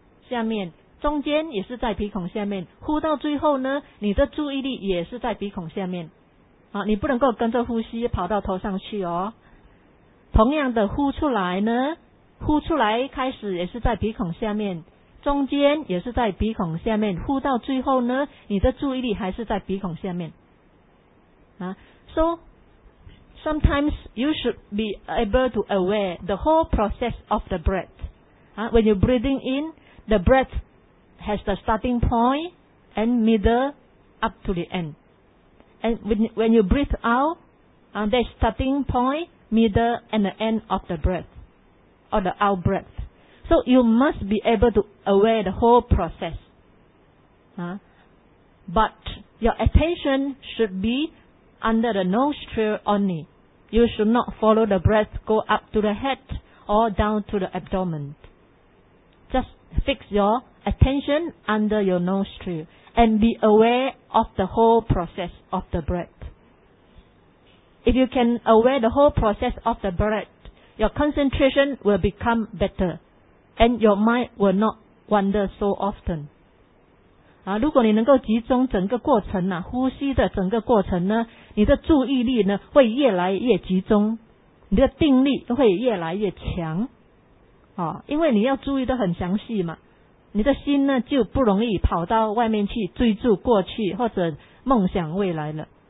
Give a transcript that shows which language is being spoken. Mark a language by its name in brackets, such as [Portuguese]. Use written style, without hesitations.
[Chinese] 下面中间也是在鼻孔下面，呼到最后呢，你的注意力也是在鼻孔下面，你不能够跟着呼吸跑到头上去哦。同样的，呼出来呢，呼出来开始也是在鼻孔下面，中间也是在鼻孔下面，呼到最后呢，你的注意力还是在鼻孔下面。 [English] So sometimes you should be able to aware the whole process of the breath. When you breathing inThe breath has the starting point and middle up to the end. And when you breathe out, there's starting point, middle, and the end of the breath, or the out breath. So you must be able to aware the whole process. But your attention should be under the nostril only. You should not follow the breath go up to the head or down to the abdomen. JustFix your attention under your nostril and be aware of the whole process of the breath. If you can aware the whole process of the breath, your concentration will become better and your mind will not wander so often. [Chinese] 如果你能够集中整个过程啊，呼吸的整个过程呢，你的注意力呢会越来越集中，你的定力会越来越强。因为你要注意得很详细嘛，你的心呢就不容易跑到外面去追逐过去或者梦想未来了。